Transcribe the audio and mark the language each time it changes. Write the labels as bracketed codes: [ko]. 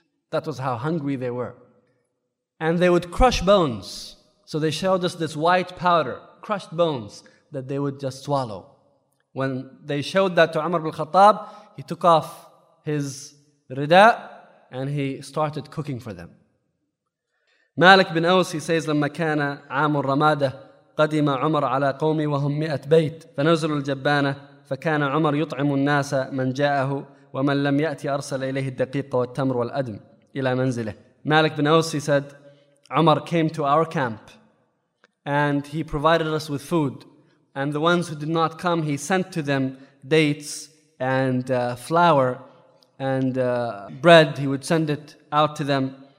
[en] That was how hungry they were. And they would crush bones. So they showed us this white powder, crushed bones, that they would just swallow. When they showed that to Umar ibn al-Khattab, he took off his rida and he started cooking for them. Malik bin Aws, he says, [ar] لما كان عام الرمادة قدم عمر على قومي وهم مئة بيت فنزلوا الجبانة فكان عمر يطعم الناس من جاءه ومن لم يأتي أرسل إليه الدقيق والتمر والأدم إلى منزله. [en] Malik bin Aws, he said, Umar came to our camp and he provided us with food. And the ones who did not come, he sent to them dates and flour and bread. He would send it out to them.